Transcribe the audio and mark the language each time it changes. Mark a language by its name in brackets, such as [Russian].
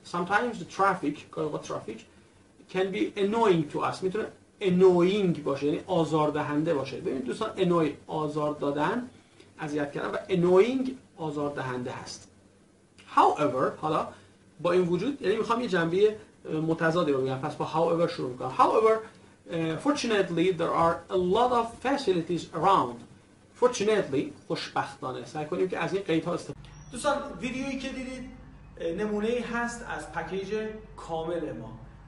[English] Sometimes the traffic, what traffic can be annoying to us. [Persian] میتونه annoying باشه، یعنی آزاردهنده باشه. ببین دوستان annoy آزار دادن، اذیت کردن، و annoying آزاردهنده هست. However حالا با این وجود، یعنی میخوام یه جنبه متضادی رو بگم، پس با however شروع میکنم. [English] However fortunately there are a lot of facilities around. [Persian] Fortunately خوشبختانه، سعی کنیم که از این قید ها استفاده. دوستان ویدیویی که دیدید نمونه ای هست از پکیج کامل ما.